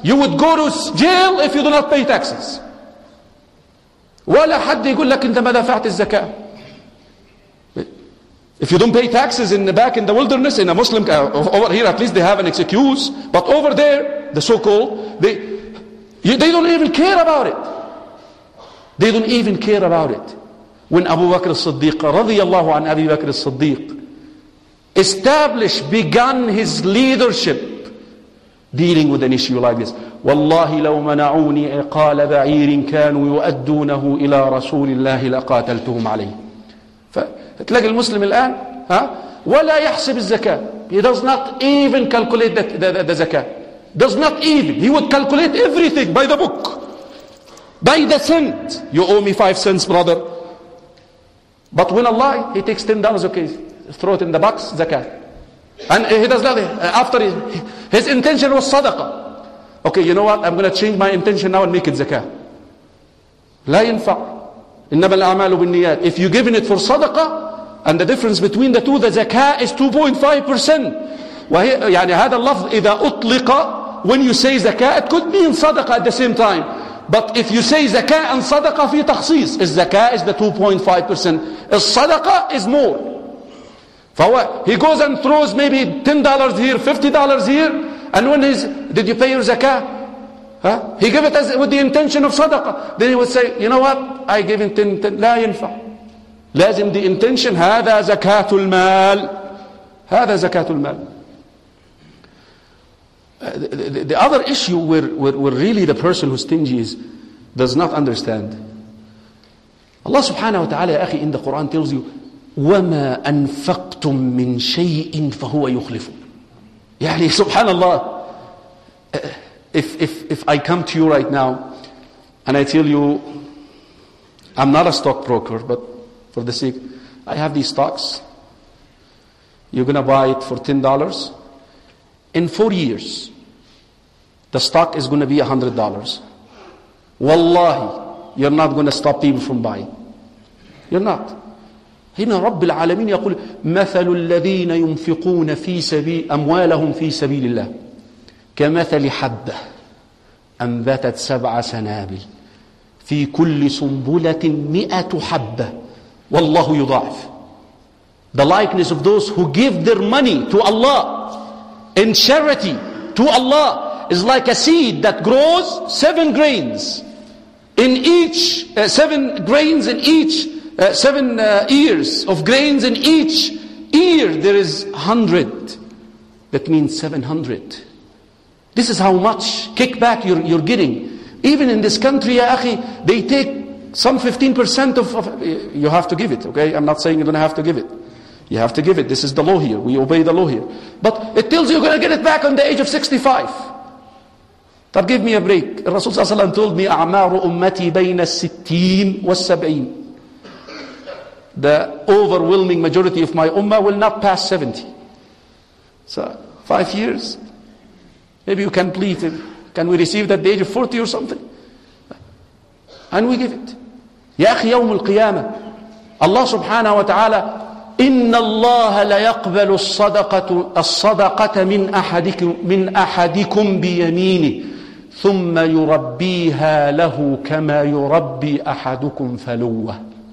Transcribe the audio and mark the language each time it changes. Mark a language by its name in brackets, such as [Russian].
[English] You would go to jail if you do not pay taxes. [Arabic] ولا حد يقول لك أنت ما دفعت الزكاة. [English] If you don't pay taxes in the back in the wilderness, in a Muslim, over here at least they have an excuse. But over there, the so-called, they don't even care about it. They don't even care about it. When Abu Bakr al-Siddiq, radiyallahu an Abi Bakr al-Siddiq, began his leadership dealing with an issue like this. [Arabic] وَاللَّهِ لَوْ مَنَعُونِ عِقَالَ بَعِيرٍ كَانُوا يُؤَدُّونَهُ إِلَىٰ رَسُولِ اللَّهِ لَقَاتَلْتُهُمْ عَلَيْهِ. تلاقي المسلم الآن ها ولا يحسب الزكاة. [English] He does not even calculate the zakah. Does not even. He would calculate everything by the book. By the cent. You owe me 5 cents, brother. But when Allah, he takes $10, okay, throw it in the box, zakat. And he does nothing. After his intention was sadaqah. Okay, you know what? I'm going to change my intention now and make it zakah. [Arabic] لا ينفع. إنما الأعمال بالنيات. [English] If you're giving it for sadaqah, and the difference between the two, the zakah is 2.5%. [Arabic] يعني هذا اللفظ إذا أطلق, [English] when you say zakah, it could mean sadaqah at the same time. But if you say zakah and sadaqah [Arabic] في تخصيص, الزكاه [English] is the 2.5%. الصدقة is more. He goes and throws maybe $10 here, $50 here, and when he's, did you pay your zakah? Huh? He gave it as with the intention of sadaqah. Then he would say, you know what? I gave him 10, [Arabic] لا ينفع. لازم [English] the intention, [Arabic] هذا زكاة المال. هذا زكاة المال. [English] The other issue where really the person who's stingy is, does not understand. Allah subhanahu wa ta'ala, أخي, in the Quran tells you, [Arabic] وَمَا أَنْفَقْتُمْ مِنْ شَيْءٍ فَهُوَ يُخْلِفُ. يعني سبحان الله, [English] if I come to you right now and I tell you, I'm not a stockbroker, but for the sake, I have these stocks, you're going to buy it for $10, in 4 years the stock is going to be $100, wallahi you're not going to stop people from buying. You're not. [Arabic] هنا رب العالمين يقول مثل الذين ينفقون في سبيل أموالهم في سبيل الله كمثل حبة أنبتت سبع سنابل في كل سنبلة 100 حبة والله يضاعف. [English] The likeness of those who give their money to Allah in charity to Allah is like a seed that grows 7 grains in each 7 grains in each 7 ears of grains in each ear, there is 100. That means 700. This is how much kickback you're getting. Even in this country, ya akhi, they take some 15% of. You have to give it, okay? I'm not saying you don't have to give it. You have to give it. This is the law here. We obey the law here. But it tells you you're going to get it back on the age of 65. But give me a break. Rasul Sallallahu told me, [Arabic] أعمار أمتي بين الستين والسبعين. [English] The overwhelming majority of my ummah will not pass 70. So, 5 years? Maybe you can plead it. Can we receive that at the age of 40 or something? And we give it. [Arabic] Ya akhi, yawm al-qiyamah. Allah subhanahu wa ta'ala, إِنَّ اللَّهَ لَيَقْبَلُ الصَّدَقَةَ مِنْ أَحَدِكُمْ بِيَمِينِهِ ثُمَّ يُرَبِّيهَا لَهُ كَمَا يُرَبِّي أَحَدُكُمْ فَلُوَّهِ.